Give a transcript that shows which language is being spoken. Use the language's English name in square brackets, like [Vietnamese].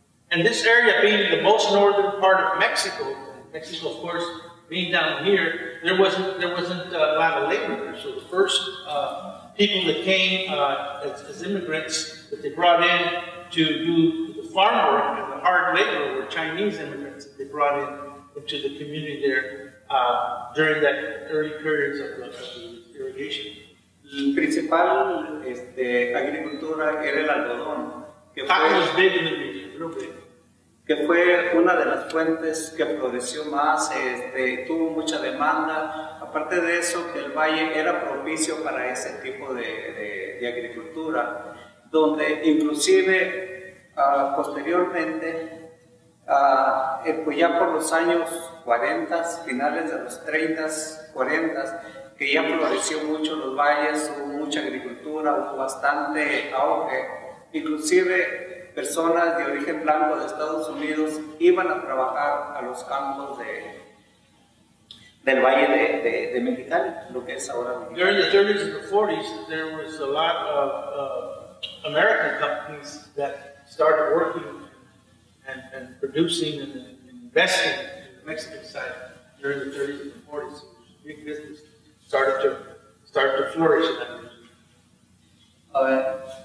[English] And this area being the most northern part of Mexico, Mexico of course being down here, there wasn't a lot of labor, so the first people that came as immigrants that they brought in to do the farm work and the hard labor were Chinese immigrants that they brought in into the community there during that early periods of the irrigation. [Spanish] La principal agricultura era el algodón. [English] Cotton was big in the region, real big. [Spanish] Que fue una de las fuentes que floreció más, tuvo mucha demanda. Aparte de eso, que el valle era propicio para ese tipo de agricultura, donde inclusive posteriormente, pues ya por los años 40, finales de los 30, 40, que ya floreció mucho los valles, hubo mucha agricultura, hubo bastante auge, inclusive personas de origen blanco de Estados Unidos iban a trabajar a los campos del Valle de Mexicali, lo que es ahora Mexicali. [English] During the 30s and the 40s, there was a lot of American companies that started working and producing and investing in the Mexican side during the 30s and the 40s. So big business started to flourish in that region.